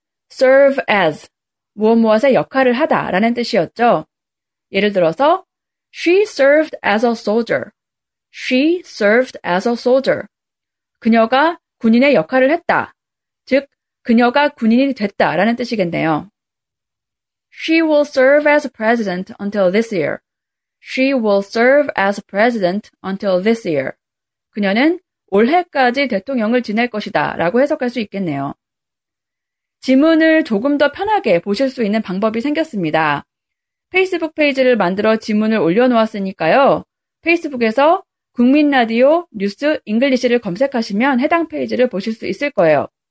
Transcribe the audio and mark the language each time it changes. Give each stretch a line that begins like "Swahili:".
Korean: serve as, 무엇무엇의 역할을 하다라는 뜻이었죠. 예를 들어서,
English: she served as a soldier. She served as a soldier.
Korean: 그녀가 군인의 역할을 했다. 즉, 그녀가 군인이 됐다라는 뜻이겠네요.
English: She will serve as president until this year. She will serve as president until this year.
Korean: 그녀는 올해까지 대통령을 지낼 것이다라고 해석할 수 있겠네요. 지문을 조금 더 편하게 보실 수 있는 방법이 생겼습니다. 페이스북 페이지를 만들어 지문을 올려놓았으니까요. 페이스북에서 국민 라디오 뉴스 잉글리시를 검색하시면 해당 페이지를 보실 수 있을 거예요.